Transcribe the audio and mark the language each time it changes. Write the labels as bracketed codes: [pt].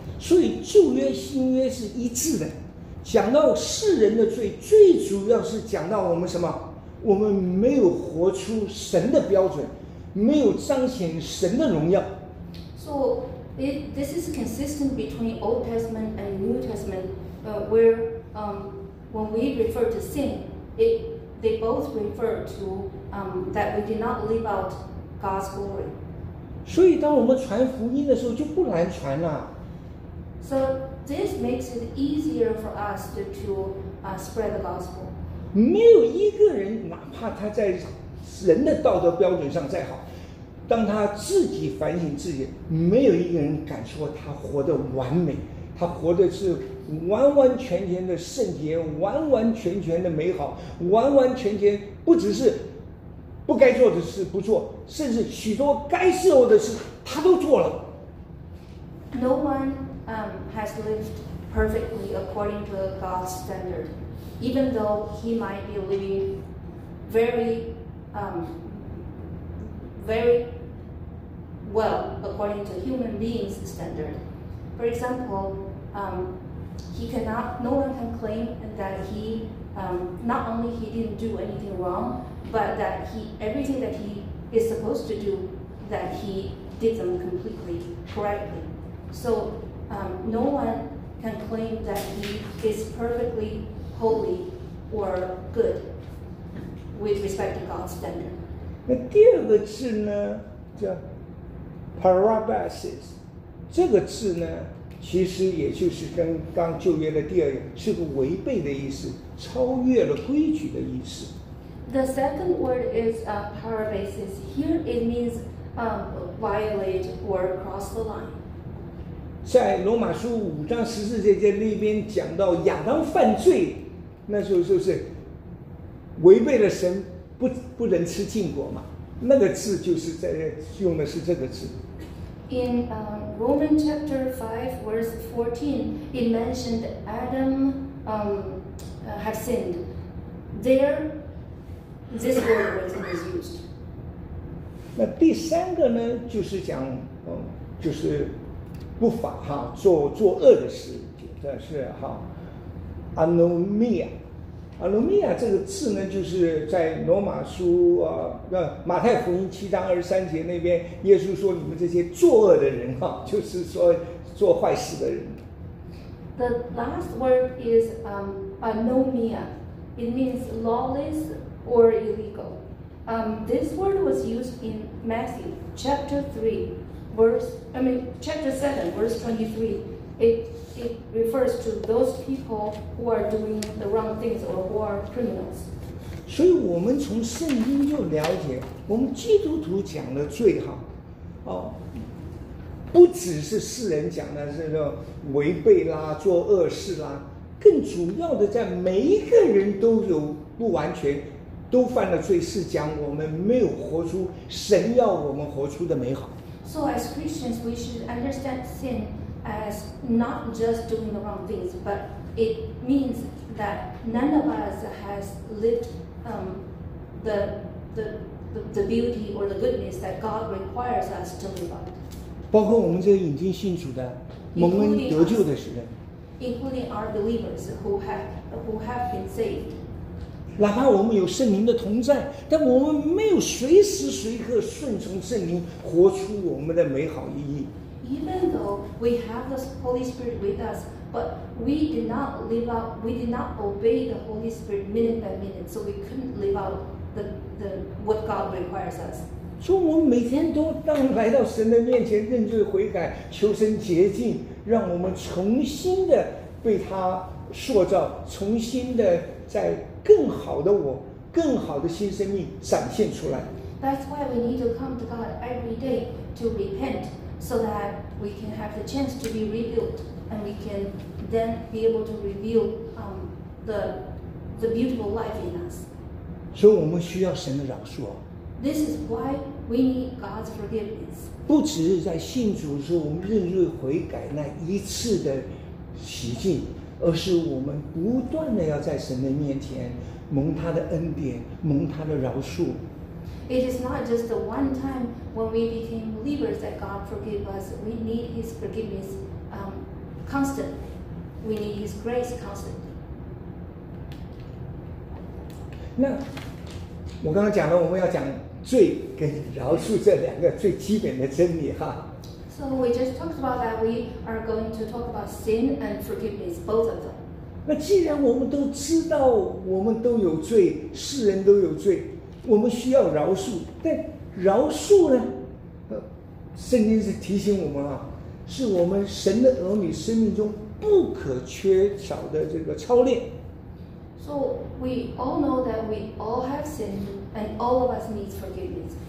[zh] 所以旧约新约是一致的。讲到世人的罪，最主要是讲到我们什么？我们没有活出神的标准，没有彰显神的荣耀。 [en] So this is consistent between Old Testament and New Testament, where when we refer to sin, they both refer to that we did not live out God's glory. [zh] 所以当我们传福音的时候就不难传了。 [en] So,This makes it easier for us to spread the gospel. [zh] 没有一个人，哪怕他在人的道德标准上再好，当他自己反省自己，没有一个人敢说他活得完美，他活的是完完全全的圣洁，完完全全的美好，完完全全不只是不该做的事不做，甚至许多该时候的事他都做了。 [en] No one has lived perfectly according to God's standard, even though he might be living very, very well according to human beings' standard. For example, no one can claim that he, not only he didn't do anything wrong, but that everything that he is supposed to do, that he did them completely correctly. So, no one can claim that he is perfectly holy or good with respect to God's standard. [zh] 那第二个字呢，叫 parabasis。这个字呢，其实也就是跟刚旧约的第二个是个违背的意思，超越了规矩的意思。 [en] The second word is parabasis. Here it means violate or cross the line. [zh] 在罗马书五章十四节在那边讲到亚当犯罪，那时候就是违背了神，不能吃禁果嘛。那个字就是在用的是这个字。 [en] In Roman chapter 5 verse 14, it mentioned Adam have sinned. There, this word was used. [zh] 那第三个呢，就是讲，就是。不法哈，做恶的事，这是哈 ，anomia， anomia 这个字呢，就是在罗马书啊，马太福音七章二十三节那边，耶稣说你们这些作恶的人哈，就是说做坏事的人。 [en] The last word is anomia. It means lawless or illegal. This word was used in Matthew chapter 3. Chapter 7, verse 23, it refers to those people who are doing the wrong things or who are criminals. [zh] 所以我们从圣经就了解，我们基督徒讲的罪哈，不只是世人讲的这个违背啦、做恶事啦，更主要的在每一个人都有不完全，都犯了罪，是讲我们没有活出神要我们活出的美好。 [en] So as Christians, we should understand sin as not just doing the wrong things, but it means that none of us has lived the beauty or the goodness that God requires us to live up. [zh] 包括我们这个已经信主的蒙恩得救的时代 [en] including our believers who have been saved. [zh] 哪怕我们有圣灵的同在，但我们没有随时随刻顺从圣灵活出我们的美好意义。 [en] Even though we have the Holy Spirit with us, but we did not live out, we did not obey the Holy Spirit minute by minute, so we couldn't live out the what God requires us. [zh] 所以我们每天都当来到神的面前认罪悔改，求神洁净，让我们重新的被他塑造，重新的在更好的我，更好的新生命展现出来。 [en] That's why we need to come to God every day to repent, so that we can have the chance to be rebuilt, and we can then be able to reveal the beautiful life in us. [zh] 所以我们需要神的饶恕。 [en] This is why we need God's forgiveness. [zh] 不只是在信主的时候我们认罪悔改那一次的洗净。而是我们不断的要在神的面前蒙他的恩典，蒙他的饶恕。 [en] It is not just the one time when we became believers that God forgave us. We need His forgiveness, constantly. We need His grace constantly. [zh] 那我刚刚讲了，我们要讲罪跟饶恕这两个最基本的真理哈。 [en] So we just talked about that. We are going to talk about sin and forgiveness, both of them. [zh] 那既然我们都知道我们都有罪，世人都有罪，我们需要饶恕。但饶恕呢？圣经是提醒我们啊，是我们神的儿女生命中不可缺少的这个操练。 [en] So we all know that we all have sinned, and all of us need forgiveness.